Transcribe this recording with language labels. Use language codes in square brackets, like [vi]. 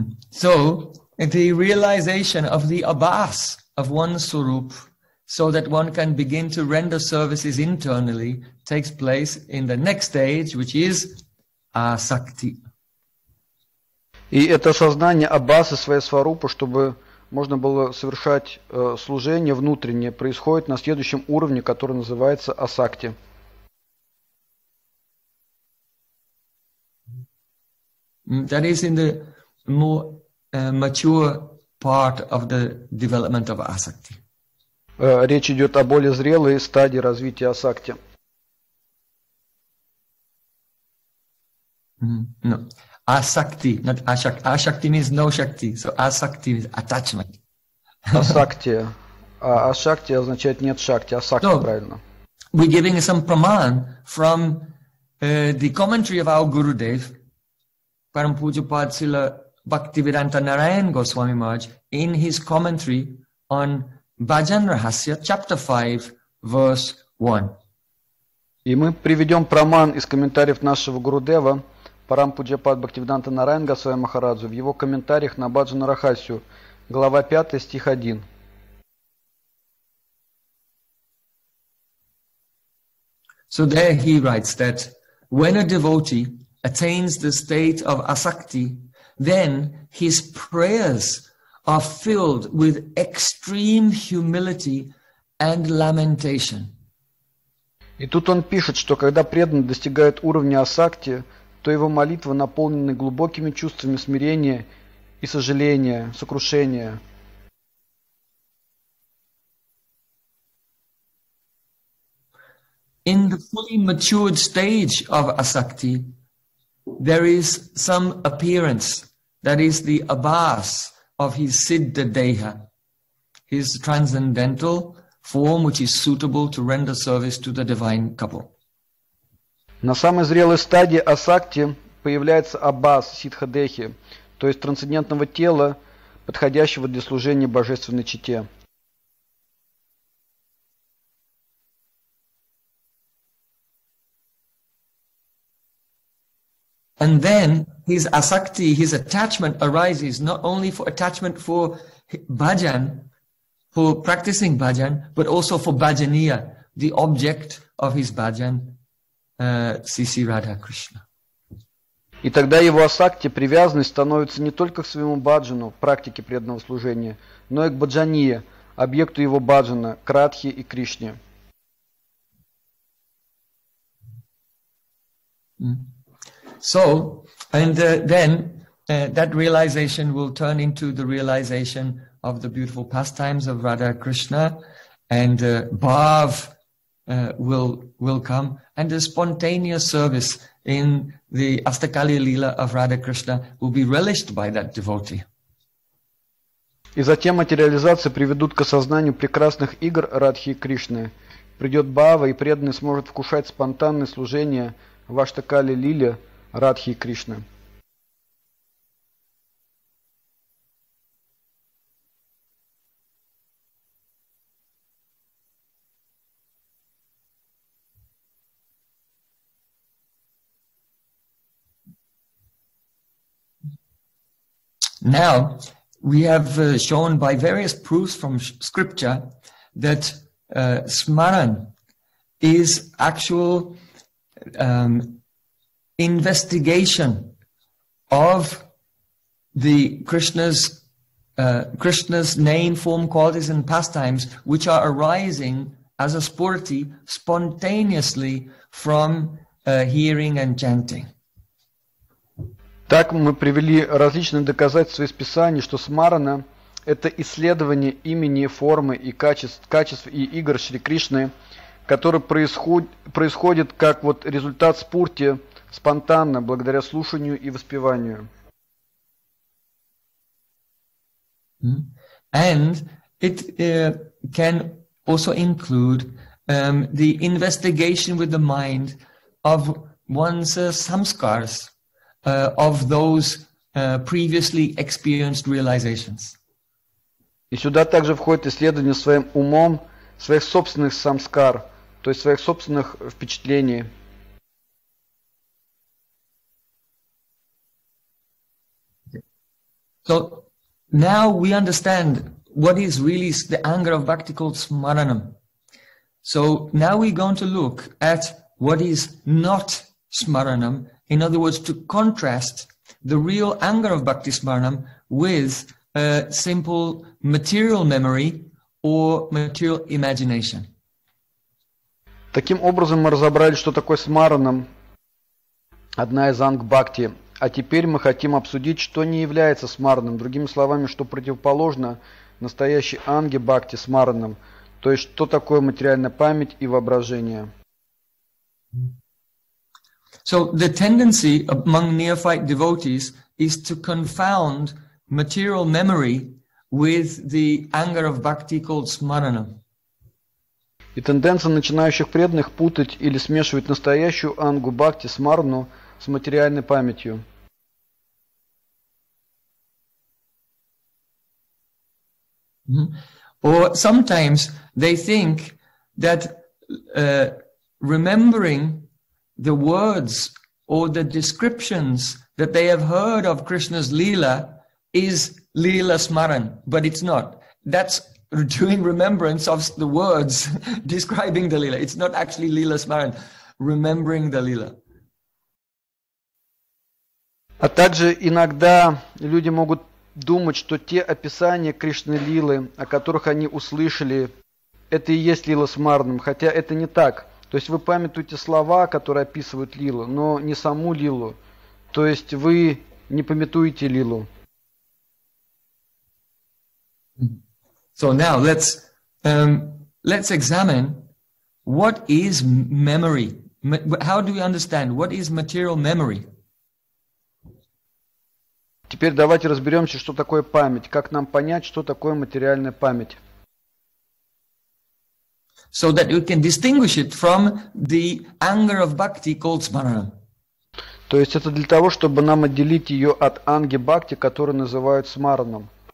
[en] So the realization of the abhas of one swarup, so that one can begin to render services internally, takes place in the next stage, which is asakti. [ru] И это сознание абаса своей сварупы, чтобы можно было совершать служение внутреннее, происходит на следующем уровне, который называется асакти. [en] That is in the more mature part of the development of asakti. [ru] Речь идет о более зрелой стадии развития асакти. [en] No. Asakti, not ashakti. Ashakti means no shakti. So asakti is attachment. [ru] Asakti. Ashakti означает нет шакти. Asakti, правильно. [en] We're giving some praman from the commentary of our Gurudev, Parampujapad Srila Bhaktivedanta Narayan Goswami Maharaj, in his commentary on Bhajan Rahasya, chapter 5, verse 1. [ru] И мы приведем праман из комментариев нашего Гурудева, Парампуджапад Бхактивиданта Нараян Госвами Махараджу, в его комментариях на Баджана Рахасию, глава 5, стих 1. [en] So there he writes that when a devotee attains the state of asakti, then his prayers are filled with extreme humility and lamentation. [ru] И тут он пишет, что когда преданный достигает уровня асакти, то его молитвы наполнены глубокими чувствами смирения и сожаления, сокрушения. [en] In the fully matured stage of asakti, there is some appearance, that is the abhas of his siddha deha, his transcendental form, which is suitable to render service to the divine couple. [ru] На самой зрелой стадии асакти появляется абас ситхадехи, то есть трансцендентного тела, подходящего для служения божественной чете. [en] And then his asakti, his attachment arises not only for attachment for bhajan, for practicing bhajan, but also for bhajaniya, the object of his bhajan. Sisi Radha Krishna. [ru] И тогда его асакти, привязанность, становится не только к своему баджану, практике преданного служения, но и к баджане, объекту его баджана, к Радхе и Кришне. [en] So, and then that realization will turn into the realization of the beautiful pastimes of Radha Krishna and Bhav. Will come, and the spontaneous service in the Astakali Lila of Radha Krishna will be relished by that devotee. [ru] И затем эти реализации приведут к осознанию прекрасных игр Радхи и Кришны. Придет Бхава, и преданный сможет вкушать спонтанное служение в Астакали Лиле Радхи и Кришны. [en] Now, we have shown by various proofs from scripture that smaran is actual investigation of the Krishna's name, form, qualities and pastimes, which are arising as a spurti spontaneously from hearing and chanting. [ru] Так мы привели различные доказательства из Писания, что смарана – это исследование имени, формы и качеств и игр Шри Кришны, которые происходят как вот результат спурти спонтанно, благодаря слушанию и воспеванию. [en] And it can also include the investigation with the mind of one's samskaras. Of those previously experienced realizations. [ru] И сюда также входит исследование своим умом своих собственных самскар, то есть своих собственных впечатлений. [en] So now we understand what is really the anger of bhakti called smaranam. So now we're going to look at what is not smaranam, in other words, to contrast the real anger of bhakti smaranam with simple material memory or material imagination. [ru] Таким образом мы разобрали, что такое смаранам, одна из анг бхакти. А теперь мы хотим обсудить, что не является смаранам. Другими словами, что противоположно настоящей анге бхакти смаранам. То есть, что такое материальная память и воображение. [en] So the tendency among neophyte devotees is to confound material memory with the anger of bhakti called smaranam. [ru] И тенденция начинающих преданных путать или смешивать настоящую ангу бхакти смарану с материальной памятью. [en] Or sometimes they think that remembering the words or the descriptions that they have heard of Krishna's lila is lila smaran, but it's not. That's doing remembrance of the words describing the lila. It's not actually lila smaran, remembering the lila. [ru] А также иногда люди могут думать, что те описания Кришны лилы, о которых они услышали, это и есть лила смаранам, хотя это не так. То есть вы памятуете слова, которые описывают лилу, но не саму лилу. То есть вы не памятуете лилу. [en] So now let's examine what is memory. How do we understand what is material memory? [ru] Теперь давайте разберемся, что такое память. Как нам понять, что такое материальная память? [en] So that we can distinguish it from the anger of bhakti called smaranam. [ru] То есть это для того, чтобы нам отделить ее от анги бхакти, которую называют смаранам.